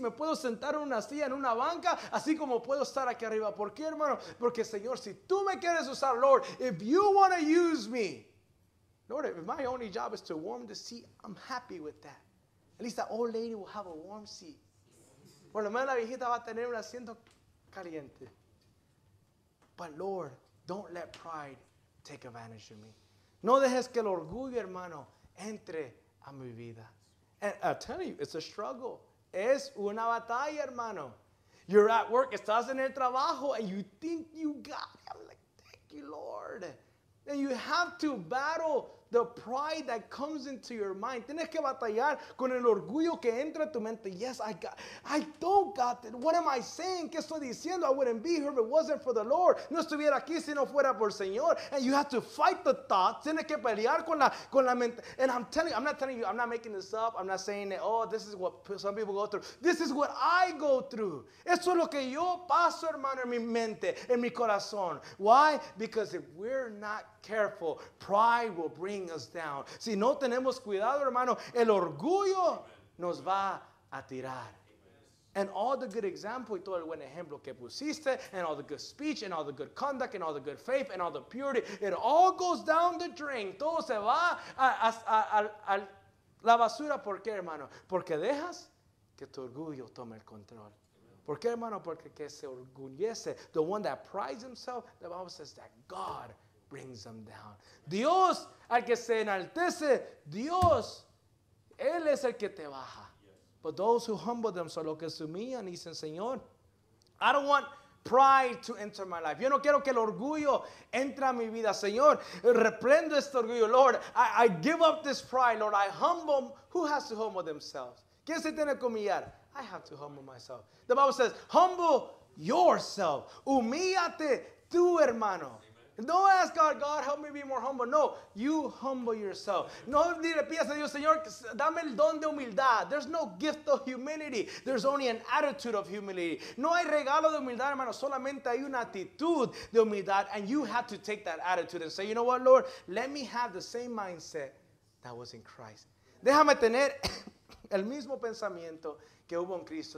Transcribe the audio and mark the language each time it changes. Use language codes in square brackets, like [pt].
[es] Me puedo sentar en una silla, en una banca, así como puedo estar aquí arriba. ¿Por qué, hermano? Porque, Señor, si tú me quieres usar, [en] Lord, if you want to use me, Lord, if my only job is to warm the seat, I'm happy with that. At least that old lady will have a warm seat. [es] Por lo menos la viejita va a tener un asiento caliente. [en] But, Lord, don't let pride take advantage of me. [es] No dejes que el orgullo, hermano, entre a mi vida. [en] And I'm telling you, it's a struggle. [es] Es una batalla, hermano. [en] You're at work, [es] estás en el trabajo, [en] and you think you got it. I'm like, thank you, Lord. And you have to battle the pride that comes into your mind. [es] Tienes que batallar con el orgullo que entra a tu mente. [en] Yes, I don't got it. What am I saying? [es] ¿Qué estoy diciendo? [en] I wouldn't be here if it wasn't for the Lord. [es] No estuviera aquí si no fuera por el Señor. [en] And you have to fight the thought. [es] Tienes que pelear con la mente. [en] And I'm telling you, I'm not telling you, I'm not making this up. I'm not saying that, oh, this is what some people go through. This is what I go through. [es] Eso es lo que yo paso, hermano, en mi mente, en mi corazón. [en] Why? Because if we're not careful, pride will bring us down. [es] Si no tenemos cuidado, hermano, el orgullo nos va a tirar. [en] And all the good example, [es] y todo el buen ejemplo que pusiste, [en] and all the good speech, and all the good conduct, and all the good faith, and all the purity, it all goes down the drain. [es] Todo se va a la basura. ¿Por qué, hermano? Porque dejas que tu orgullo tome el control. ¿Por qué, hermano? Porque que se orgullece. [en] The one that prides himself, the Bible says that God brings them down. [es] Dios, al que se enaltece, Dios, Él es el que te baja. [en] But those who humble themselves, [es] lo que se humillan, dicen, Señor, [en] I don't want pride to enter my life. [es] Yo no quiero que el orgullo entre a mi vida. Señor, reprendo este orgullo. [en] Lord, I give up this pride. Lord, I humble. Who has to humble themselves? [es] ¿Quién se tiene que humillar? [en] I have to humble myself. The Bible says, humble yourself. [es] Humíllate tú, hermano. [en] Don't ask God, God, help me be more humble. No, you humble yourself. [es] No le pidas a Dios, Señor, dame el don de humildad. [en] There's no gift of humility. There's only an attitude of humility. [es] No hay regalo de humildad, hermano. Solamente hay una actitud de humildad. [en] And you have to take that attitude and say, you know what, Lord? Let me have the same mindset that was in Christ. [es] Déjame tener el mismo pensamiento que hubo en Cristo.